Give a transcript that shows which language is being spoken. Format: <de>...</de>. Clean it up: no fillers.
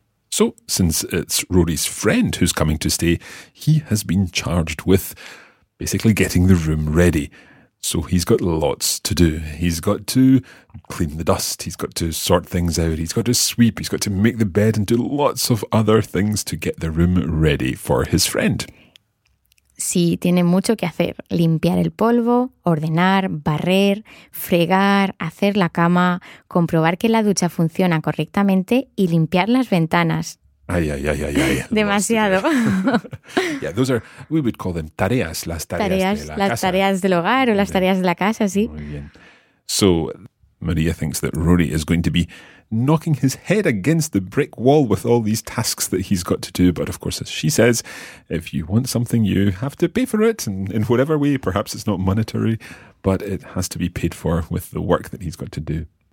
<en>So, since it's Rory's friend who's coming to stay, he has been charged with basically getting the room ready. So he's got lots to do. He's got to clean the dust. He's got to sort things out. He's got to sweep. He's got to make the bed and do lots of other things to get the room ready for his friend.</en> <es>si tiene mucho que hacer: limpiar el polvo, ordenar, barrer, fregar, hacer la cama, comprobar que la ducha funciona correctamente y limpiar las ventanas. Ay, ay, ay, ay, ay. Demasiado.</es> <en>Yeah, those are, we would call them</en> <es>tareas, las tareas, tareas de la las casa. Las tareas del hogar o las tareas de la casa, sí. Muy bien.</es> <en>So, Maria thinks that Rory is going to be knocking his head against the brick wall with all these tasks that he's got to do. But of course, as she says, if you want something, you have to pay for it. And in whatever way, perhaps it's not monetary, but it has to be paid for with the work that he's got to do.</en>